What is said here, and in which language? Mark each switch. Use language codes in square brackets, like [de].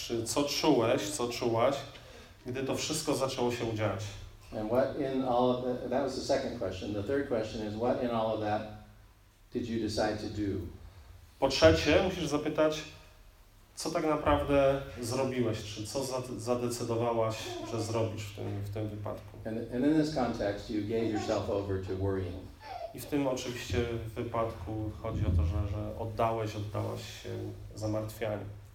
[pl] Czy co czułaś, gdy to wszystko zaczęło się dziać? [en] And what in all of that was the second question. The third question is what in all of that did you decide to do? [pl] Po trzecie, musisz zapytać, co tak naprawdę zrobiłeś, czy co zadecydowałaś, że zrobisz w tym wypadku. [en] And in this context, you gave yourself over to worrying. [pl] I w tym oczywiście wypadku chodzi o to, że oddałaś się zamartwianiu.